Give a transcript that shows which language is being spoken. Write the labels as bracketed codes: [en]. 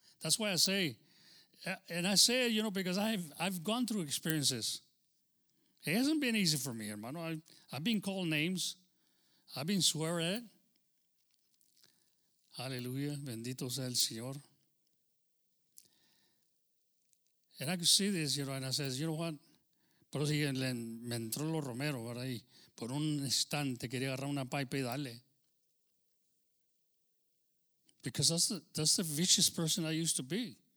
[en] That's why I say, and I say it, you know, because I've gone through experiences. It hasn't been easy for me, hermano. I've been called names. I've been swearing at it. [es] Hallelujah. Bendito sea el Señor. [en] And I could see this, you know, and I says, you know what? [es] Pero si me entró los romeros, ¿verdad? Y por un instante quería agarrar una pipa y darle. [en] Because that's the vicious person I used to be.